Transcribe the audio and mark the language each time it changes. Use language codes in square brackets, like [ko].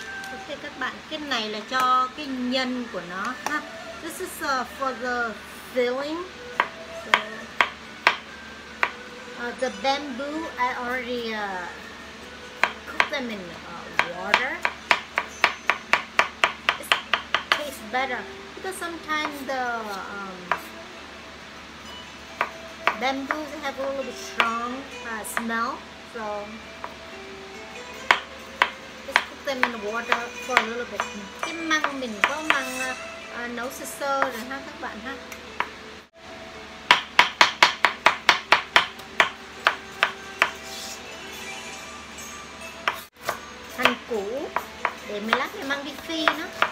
[vi] Ok các bạn, cái này là cho cái nhân của nó ha. [en] This is for the filling. So, the bamboo, I already cooked them in water. It tastes better because sometimes the bamboos have a little bit strong smell, so just cook them in the water for a little bit. [vi] Cái măng mình có măng nấu sơ sơ rồi ha các bạn ha. Hành củ để mình lát mình mang đi phi nó.